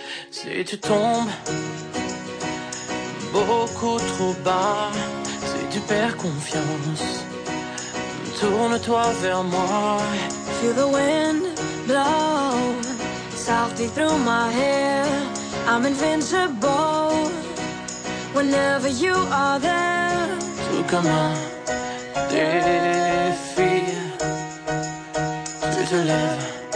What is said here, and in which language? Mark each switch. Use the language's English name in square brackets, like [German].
[French] Si tu tombes beaucoup trop bas, si tu perds confiance, tourne-toi vers moi. [English] Feel the wind blow softly through my hair. I'm invincible whenever you are there. [French] Tout comme un défi, tu te lèves.